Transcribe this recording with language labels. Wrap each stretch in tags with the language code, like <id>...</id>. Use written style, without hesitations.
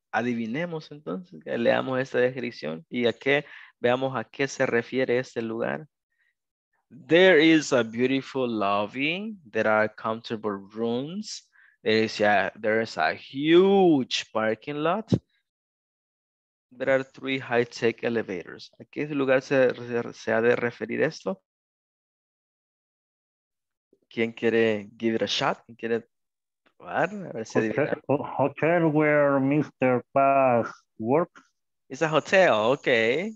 <es>Adivinemos entonces, leamos esta descripción y veamos a qué se refiere este lugar.</es> <en>There is a beautiful lobby, there are comfortable rooms, there is a huge parking lot. There are three high-tech elevators.</en> <es>¿A qué lugar se ha de referir esto? ¿Quién quiere</es> <en>give it a shot?</en> <es>¿Quién quiere probar? A ver si adivina.</es> <en>Hotel where Mr. Paz works. It's a hotel, okay.</en>